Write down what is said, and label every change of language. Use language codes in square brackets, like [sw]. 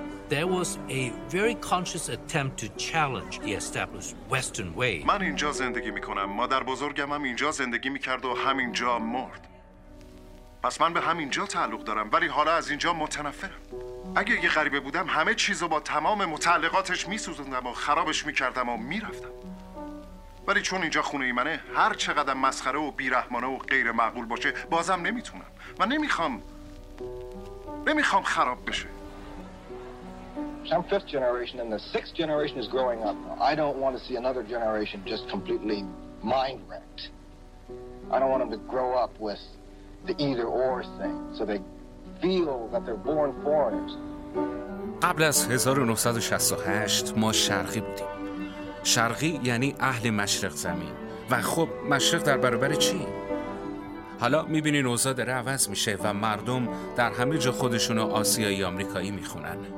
[en] There was a very conscious attempt to challenge the established Western way. [fa] من اینجا زندگی میکنم. مادر بزرگم هم اینجا زندگی میکرد و همینجا مرد. پس من به همینجا تعلق دارم، ولی حالا از اینجا متنفرم. اگه یه غریبه بودم همه چیزو با تمام متعلقاتش میسوزوندم و خرابش میکردم و میرفتم. ولی چون اینجا خونه ای منه، هر چقدر مسخره و بیرحمانه و غیر معقول باشه بازم نمیتونم. من نمیخوام خراب بشه. [en] I'm fifth generation and the sixth generation is growing up. I don't want to see another generation just completely mind wrecked. I don't want them to grow up with the either or thing so they feel that they're born foreigners. [fa] قبل از 1968 ما شرقی بودیم. شرقی یعنی اهل مشرق زمین. و خب مشرق در برابر چی؟ حالا میبینین اوضاع داره عوض میشه و مردم در همه جا خودشونو آسیایی آمریکایی میخونن.